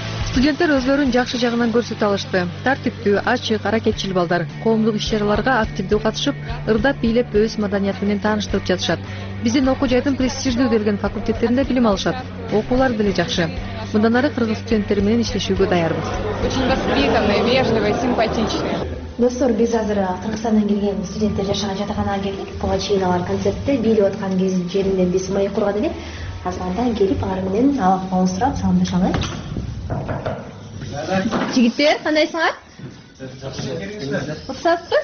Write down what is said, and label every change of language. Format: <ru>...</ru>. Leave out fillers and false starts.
<ky>студенттер өзлөрүн жакшы жагынан көрсөтө алышты. Тартиптүү, ачык, аракетчил балдар коомдук иш-чараларга активдүү катышып, ырдап бийлеп өз маданияты менен тааныштырып жатышат. Биздин окуу жайдын престиждүү деген факультеттеринде билим алышат. Окуулар деле жакшы. Мындан ары кыргыз студенттери менен иштешүүгө даярбыз.</ky> <ru>Очень воспитанные, вежливые, симпатичные.</ru> <ky>Достор, биз азыр Кыргызстандан келген студенттер жашаган жатаканага келдик. Буга чейин алар концертте бийлеп аткан жеринен биз маек курган элек. Азырдан келип алар менен абалын сурап салындаша алайбыз. Жигиттер, кандайсыңар? Жакшы.</ky>